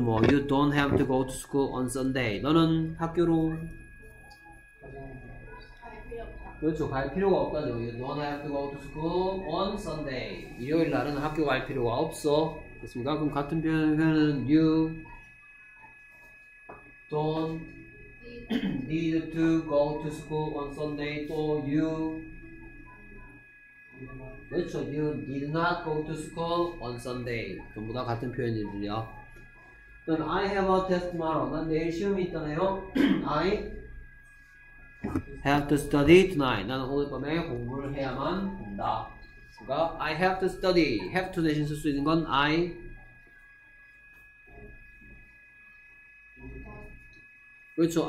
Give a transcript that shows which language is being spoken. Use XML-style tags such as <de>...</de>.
<en>뭐 you don't have to go to school on Sunday.</en> <ko>너는 학교로 그렇죠. 갈 필요가 없다죠.</ko> <en>You don't have to go to school on Sunday.</en> <ko>일요일 날은 학교 갈 필요가 없어. 됐습니까? 그럼 같은 표현은</ko> <en>you don't need to go to school on Sunday.</en> <ko>또 you 그렇죠.</ko> <en>You need not go to school on Sunday.</en> <ko>전부 다 같은 표현들이죠.</ko> <en>Then I have a test tomorrow.</en> <ko>난 내일 시험이 있다네요.</ko> <en>I have to study tonight.</en> <ko>나는 오늘밤에 공부를 해야만 한다. 그러니까</ko> <en>I have to study.</en> <ko>have to 대신 쓸 수 있는 건 I 그렇죠.</ko>